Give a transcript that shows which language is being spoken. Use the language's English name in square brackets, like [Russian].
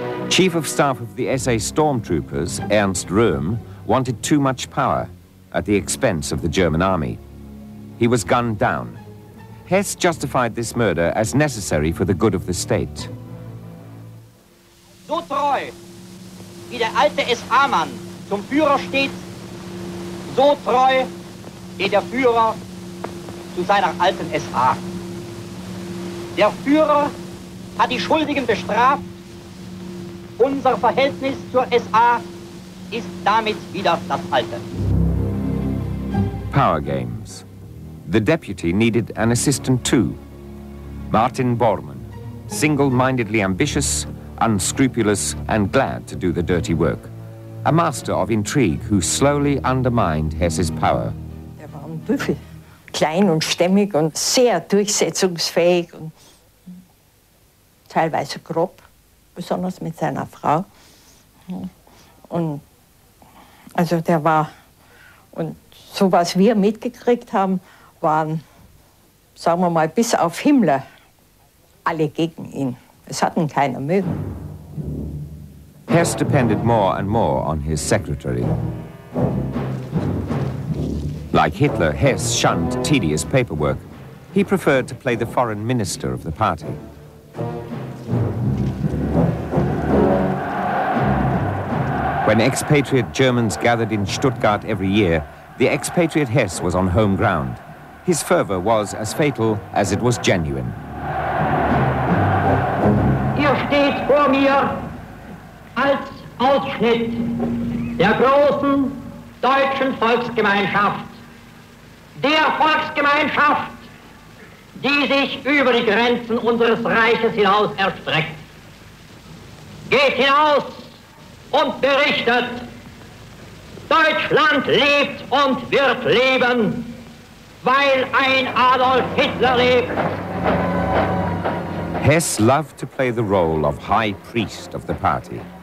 [English] Chief of staff of the SA stormtroopers, Ernst Röhm, wanted too much power at the expense of the German army. He was gunned down. Hess justified this murder as necessary for the good of the state. [German] So treu, wie der alte SA-Mann zum Führer steht, so treu geht der Führer zu seiner alten SA. Der Führer hat die Schuldigen bestraft. Unser Verhältnis zur SA ist damit wieder das alte. [English] Power games. The deputy needed an assistant too. Martin Bormann, single-mindedly ambitious, unscrupulous, and glad to do the dirty work. A master of intrigue who slowly undermined Hess's power. [German] Er war ein Büffel, klein und stämmig und sehr durchsetzungsfähig und teilweise grob, besonders mit seiner Frau. Und also der war, und so was wir mitgekriegt haben, waren, sagen wir mal, bis auf Himmler alle gegen ihn. Es hatten keiner mögen. [English] Hess depended more and more on his secretary. Like Hitler, Hess shunned tedious paperwork. He preferred to play the foreign minister of the party. When expatriate Germans gathered in Stuttgart every year, the expatriate Hess was on home ground. His fervor was as fatal as it was genuine. [German] Ihr steht vor mir als Ausschnitt der großen deutschen Volksgemeinschaft, der Volksgemeinschaft, die sich über die Grenzen unseres Reiches hinaus erstreckt. Geht hinaus und berichtet, Deutschland lebt und wird leben, weil ein Adolf Hitler lebt. [English] Hess loved to play the role of high priest of the party.